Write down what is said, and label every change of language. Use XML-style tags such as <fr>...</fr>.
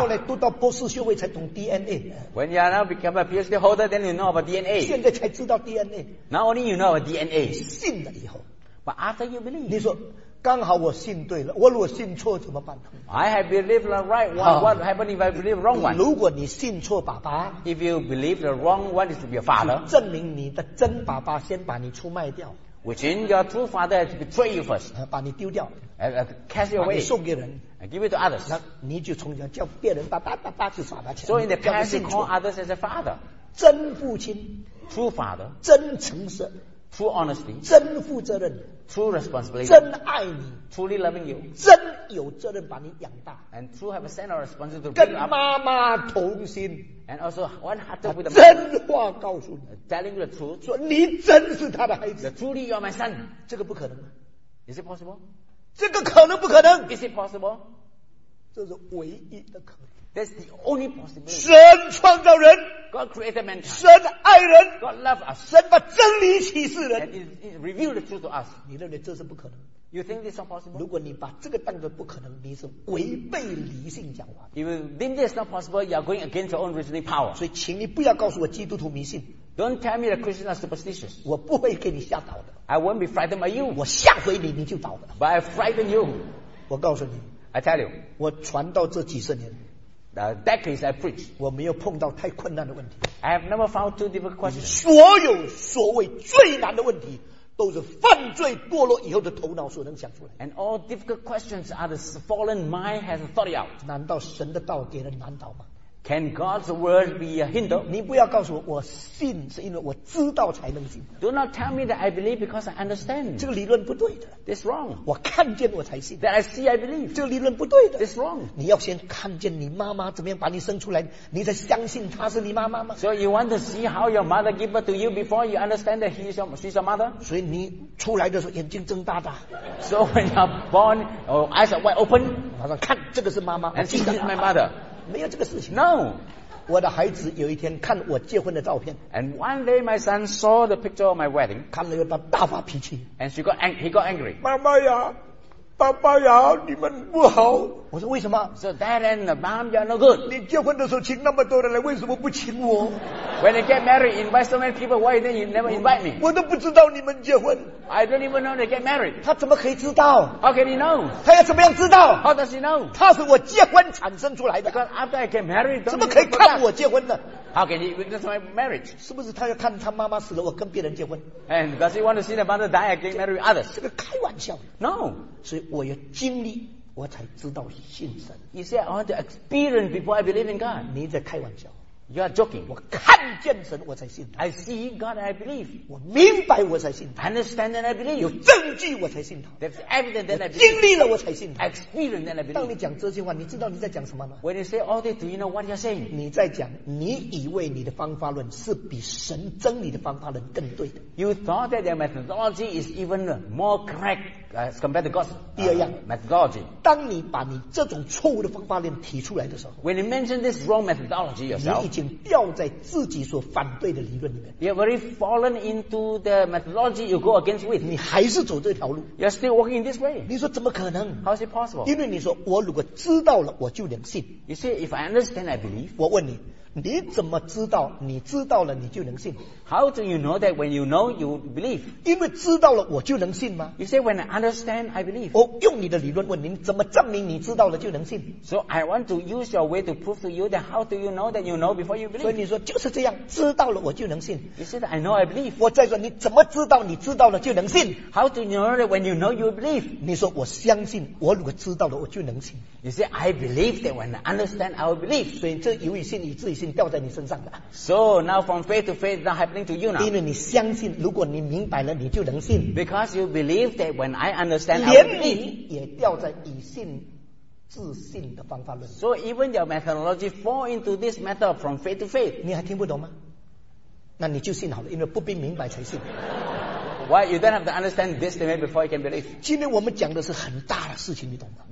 <zh>后来读到博士学位才懂 DNA。</zh> <en>When you are now become a PhD holder, then you know about DNA.</en> <zh>现在才知道 DNA。</zh> <en>Not only you know about DNA.</en> <zh>信了以后</zh> <en>But after you believe,</en> <zh>你说刚好我信对了，我如果信错怎么办呢</zh> <en>？I have believed the right one. What happened if I believe wrong one?</en> <zh>如果你信错爸爸</zh> <en>，If you believe the wrong one is to be your father,</en> <zh>证明你的真爸爸先把你出卖掉</zh> <en>，Which means your true father has betrayed you first,</en> <zh>把你丢掉</zh> <en>cast you away,</en> <zh>把你送给人</zh> <en>give it to others.</en> <zh>那你就从小叫别人爸爸爸爸去耍他钱</zh> <en>，So in the past you call others as a father,</en> <zh>真父亲</zh> <en>，true father,</en> <zh>真诚实。</zh> <en>True honesty,</en> <zh>真负责任</zh> <en>true responsibility,</en> <zh>真爱你</zh> <en>truly loving you,</en> <zh>真有责任把你养大</zh> <en>and true have a sense of responsibility to bring up,</en> <zh>跟妈妈同心</zh> <en>and also one heart with the</en> <zh>真话告诉你</zh> <en>telling you the truth,</en> <zh>说你真是他的孩子</zh> <en>truly you are my son,</en> <zh>这个不可能</zh> <en>is it possible?</en> <zh>这个可能不可能</zh> <en>is it possible?</en> <zh>这是唯一的可能</zh> <en>that's the only possibility,</en> <zh>神创造人</zh> <en>God created mankind.</en> <zh>神爱人</zh> <en>God loved us.</en> <zh>神把真理启示人</zh> <en>And it revealed the truth to us.</en> <zh>你认为这是不可能</zh> <en>You think this is not possible?</en> <zh>如果你把这个当作不可能你是违背理性讲话</zh> <en>If you think this is not possible, you are going against your own reasoning power.</en> <zh>所以请你不要告诉我基督徒迷信</zh> <en>Don't tell me that Christians are superstitious.</en> <zh>我不会给你吓倒的</zh> <en>I won't be frightened by you.</en> <zh>我吓回你你就倒的</zh> <en>But I frighten you.</en> <zh>我告诉你</zh> <en>I tell you.</en> <zh>我传道这几十年</zh> <en>The decades I preach,</en> <zh>我没有碰到太困难的问题。</zh> <en>I have never found two difficult questions.</en> <zh>所有所谓最难的问题，都是犯罪堕落以后的头脑所能想出来。</zh> <en>And all difficult questions are the fallen mind has thought out.</en> <zh>难道神的道给人难倒吗</zh> <en>？Can God's word be a hinder?</en> <zh>你不要告诉我，我信是因为我知道才能信。</zh> <en>Do not tell me that I believe because I understand.</en> <zh>这个理论不对的。</zh> <en>This wrong.</en> <zh>我看见我才信。</zh> <en>That I see, I believe.</en> <zh>这个理论不对的。</zh> <en>This wrong.</en> <zh>你要先看见你妈妈怎么样把你生出来，你才相信她是你妈妈吗</zh> <en>？So you want to see how your mother gave birth to you before you understand that she's your mother?</en> <zh>所以你出来的时候眼睛睁大大。</zh> <en>So when you're born, eyes are wide open.</en> <zh>马上看，这个是妈妈。</zh> <en>And she is my mother.</en> <zh>没有这个事情。</zh> <en>No.</en> <zh>我的孩子有一天看我结婚的照片</zh> <en>And one day my son saw the picture of my wedding</en> <zh>看了以后他大发脾气</zh> <en>And she got he got angry</en> <zh>妈妈呀爸爸呀你们不好我说为什么</zh> <en>So dad and the mom you're no good</en> <zh>你结婚的时候请那么多人来为什么不请我</zh> <en>When you get married invite so many people why then you never invite me</en> <zh>我都不知道你们结婚</zh> <en>I don't even know they get married</en> <zh>他怎么可以知道</zh> <en>How can he know</en> <zh>他要怎么样知道</zh> <en>How does he know</en> <zh>他是我结婚产生出来的</zh> <en>Because after I get married</en> <zh>怎么可以看我结婚呢</zh> <en>How can he witness my marriage</en> <zh>是不是他要看他妈妈死了我跟别人结婚</zh> <en>And does he want to see the mother die and get married with others</en> <zh>这个开玩笑</zh> <en>No</en> <zh>所以我要经历我才知道信神</zh> <en>You say I want to experience before I believe in God</en> <zh>你在开玩笑</zh> <en>You are joking</en> <zh>我看见神我才信</zh> <en>I see God and I believe</en> <zh>我明白我才信</zh> <en>I understand and I believe</en> <zh>有证据我才信</zh> <en>There's evidence that I believe</en> <zh>经历了我才信</zh> <en>Experience and I believe</en> <zh>当你讲这些话你知道你在讲什么吗</zh> <en>When you say all this do you know what you're saying</en> <zh>你在讲你以为你的方法论是比神真理的方法论更对的</zh> <en>You thought that their methodology is even more correct As compared to God's methodology.</en> <zh>当你把你这种错误的方法论提出来的时候</zh> <en>When you mention this wrong methodology yourself,</en> <zh>你已经掉在自己所反对的理论里面</zh> <en>You have already fallen into the methodology you go against with.</en> <zh>你还是走这条路</zh> <en>You're still walking in this way.</en> <zh>你说怎么可能</zh> <en>How is it possible?</en> <zh>因为你说我如果知道了我就能信</zh> <en>You see, if I understand, I believe.</en> <zh>我问你你怎么知道你知道了你就能信</zh> <en>How do you know that when you know you believe</en> <zh>因为知道了我就能信吗</zh> <en>You say when I understand I believe</en> <zh>我用你的理论问你怎么证明你知道了就能信</zh> <en>So I want to use your way to prove to you that how do you know that you know before you believe</en> <zh>所以你说就是这样知道了我就能信</zh> <en>You say that I know I believe</en> <zh>我再说你怎么知道你知道了就能信</zh> <en>How do you know that when you know you believe</en> <zh>你说我相信我如果知道了我就能信</zh> <en>You say I believe that when I understand I will believe</en> <zh>所以这由于信以至于信掉在你身上的。</zh> <en>So now from faith to faith, not happening to you now.</en> <zh>因为你相信，如果你明白了，你就能信。</zh> <en>Because you believe that when I understand, I will believe.</en> <zh>连你也掉在以信自信的方法论。</zh> <en>So even your methodology fall into this method from faith to faith.</en> <zh>你还听不懂吗？那你就信好了，因为不必明白才信。</zh> <en>Why you don't have to understand this thing before you can believe?</en> <zh>今天我们讲的是很大的事情，你懂吗？</zh>